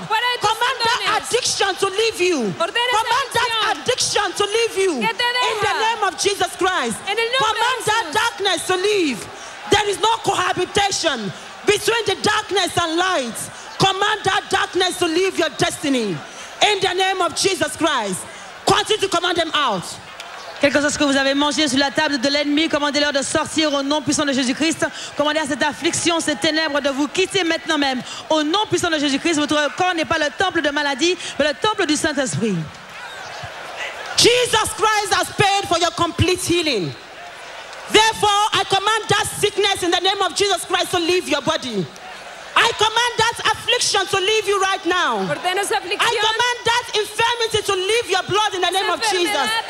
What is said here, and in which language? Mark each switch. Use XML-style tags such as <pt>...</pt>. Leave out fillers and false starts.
<en>Command that addiction to leave you. Command that addiction to leave you in the name of Jesus Christ. Command that darkness to leave. There is no cohabitation between the darkness and light. Command that darkness to leave your destiny in the name of Jesus Christ. Continue to command them out.</en> <fr>Quelque chose que vous avez mangé sur la table de l'ennemi, commandez-leur de sortir au nom puissant de Jésus-Christ. Commandez à cette affliction, ces ténèbres de vous quitter maintenant même. Au nom puissant de Jésus-Christ, votre corps n'est pas le temple de maladie, mais le temple du Saint-Esprit.</fr> <en>Jesus Christ has paid for your complete healing. Therefore, I command that sickness in the name of Jesus Christ to leave your body. I command that affliction to leave you right now. I command that infirmity to leave your blood in the name of Jesus.</en>